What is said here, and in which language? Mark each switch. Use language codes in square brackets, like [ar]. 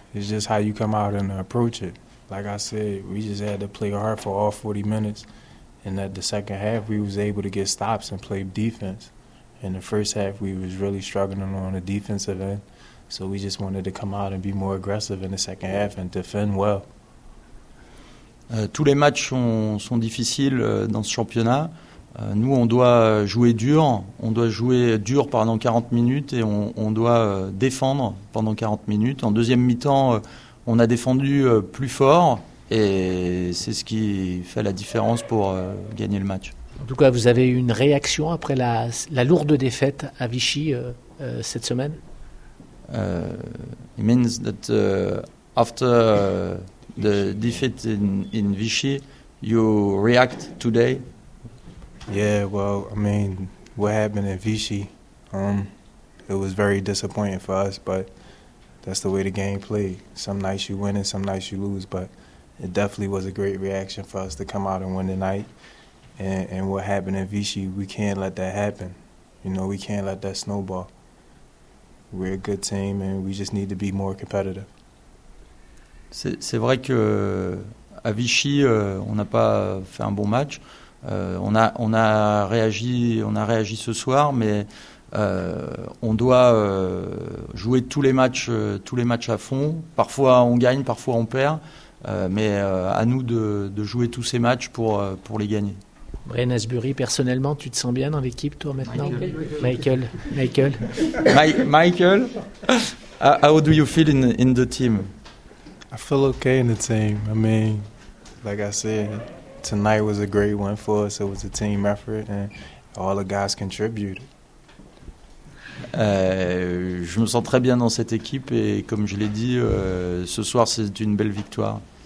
[en] It's just how you come out and approach it. Like I said, we just had to play hard for all 40 minutes. And at the second half, we was able to get stops and play defense. In the first half, we was really struggling on the defensive end. So we just wanted to come out and be more aggressive in the second half and defend well. [fr] Tous les matchs sont difficiles dans ce championnat. Nous, on doit jouer dur. On doit jouer dur pendant 40 minutes et on doit défendre pendant 40 minutes. En deuxième mi-temps, on a défendu plus fort et c'est ce qui fait la différence pour gagner le match. En tout cas, vous avez eu une réaction après la lourde défaite à Vichy cette semaine? [en] It means that after the defeat in Vichy, you react today? Yeah, well, I mean, what happened in Vichy, it was very disappointing for us, but that's the way the game played. Some nights you win and some nights you lose, but it definitely was a great reaction for us to come out and win tonight. And what happened in Vichy, we can't let that happen. You know, we can't let that snowball. We're a good team and we just need to be more competitive. [fr] C'est vrai que à Vichy on n'a pas fait un bon match. On a réagi ce soir, mais on doit jouer tous les matchs à fond. Parfois on gagne, parfois on perd, mais à nous de jouer tous ces matchs pour les gagner. Brian Asbury, personnellement, tu te sens bien dans l'équipe, toi, maintenant? Michael. [en] Michael, how do you feel in the team? I feel okay in the team. I mean, like I said, tonight was a great win for us. It was a team effort and all the guys contributed. [fr] Je me sens très bien dans cette équipe et comme je l'ai dit, ce soir, c'est une belle victoire.